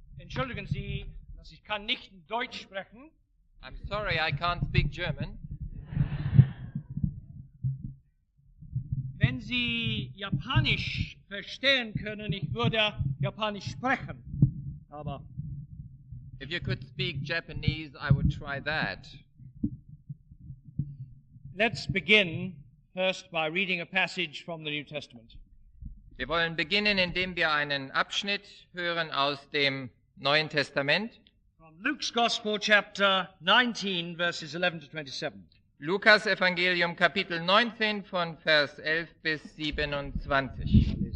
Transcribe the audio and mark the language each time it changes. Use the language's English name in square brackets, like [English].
[German] Entschuldigen Sie, dass ich kann nicht Deutsch sprechen. [English] I'm sorry, I can't speak German. [German] Wenn Sie Japanisch verstehen können, ich würde Japanisch sprechen. Aber [English] if you could speak Japanese, I would try that. Let's begin first by reading a passage from the New Testament. [German] Wir wollen beginnen, indem wir einen Abschnitt hören aus dem Neuen Testament. [English] From Luke's Gospel, chapter 19, verses 11 to 27. [German] Lukas Evangelium, Kapitel 19, von Vers 11 bis 27.